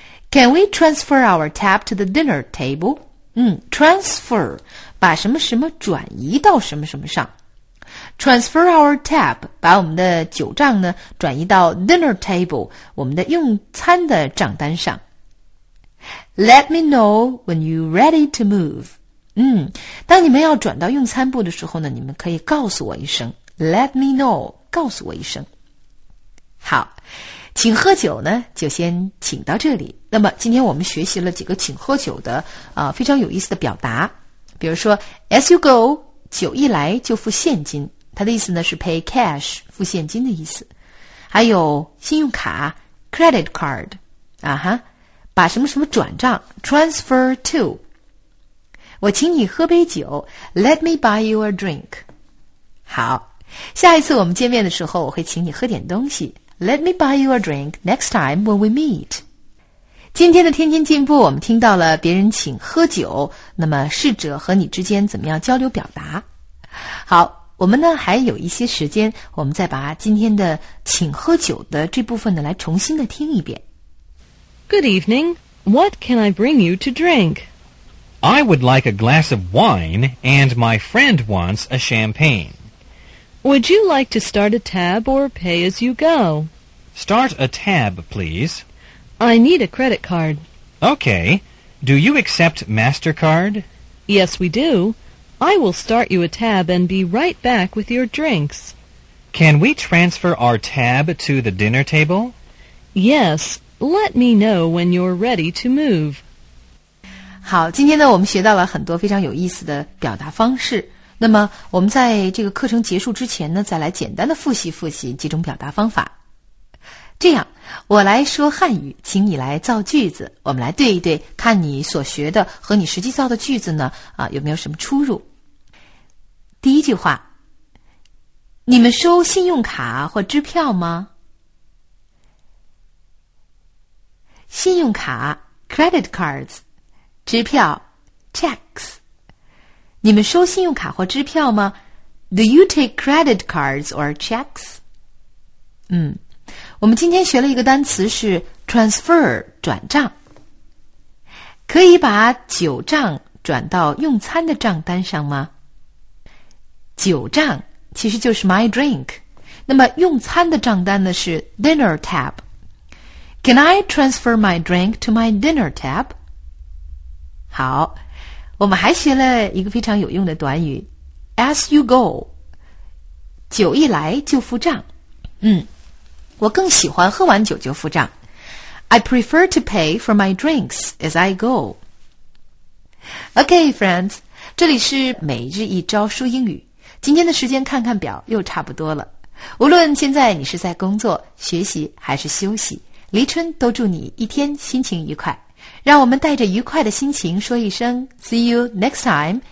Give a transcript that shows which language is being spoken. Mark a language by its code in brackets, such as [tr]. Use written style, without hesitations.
[en] Can we transfer our tab to the dinner table? [zh] Transfer, 把什么什么转移到什么什么上。 [en] Transfer our tab, [zh] 把我们的酒账呢转移到 dinner table, 我们的用餐的账单上。 [en] Let me know when you're ready to move. [zh] 当你们要转到用餐部的时候呢，你们可以告诉我一声。 Let me know, 告诉我一声。好，请喝酒呢，就先请到这里。那么今天我们学习了几个请喝酒的非常有意思的表达。比如说 ,as you go, 酒一来就付现金。它的意思呢是 pay cash, 付现金的意思。还有信用卡 ,credit card, 啊哈。把什么什么转账 transfer to 我请你喝杯酒 [en] let me buy you a drink [zh] 好下一次我们见面的时候我会请你喝点东西 [en] let me buy you a drink next time when we meet [zh] 今天的天天进步我们听到了别人请喝酒那么侍者和你之间怎么样交流表达好我们呢还有一些时间我们再把今天的请喝酒的这部分呢来重新的听一遍 [en] Good evening. What can I bring you to drink? I would like a glass of wine, and my friend wants a champagne. Would you like to start a tab or pay as you go? Start a tab, please. I need a credit card. Okay. Do you accept MasterCard? Yes, we do. I will start you a tab and be right back with your drinks. Can we transfer our tab to the dinner table? Yes. Let me know when you're ready to move. [zh] 好，今天呢，我们学到了很多非常有意思的表达方式。那么，我们在这个课程结束之前呢，再来简单的复习复习几种表达方法。这样，我来说汉语，请你来造句子，我们来对一对，看你所学的和你实际造的句子呢，有没有什么出入？第一句话，你们收信用卡或支票吗？信用卡 credit cards, 支票 checks. 你们收信用卡或支票吗 [en] ?Do you take credit cards or checks? [zh] 我们今天学了一个单词是 transfer, 转账。可以把酒账转到用餐的账单上吗？酒账其实就是 my drink. 那么用餐的账单呢是 dinner tab. [en] Can I transfer my drink to my dinner tab? [zh] 好，我们还学了一个非常有用的短语 ,as you go, 酒一来就付账。我更喜欢喝完酒就付账。 [en] I prefer to pay for my drinks as I go. Okay, friends, [zh] 这里是每日一招说英语。今天的时间看看表又差不多了。无论现在你是在工作、学习还是休息，黎春都祝你一天心情愉快。让我们带着愉快的心情说一声 [en] See you next time.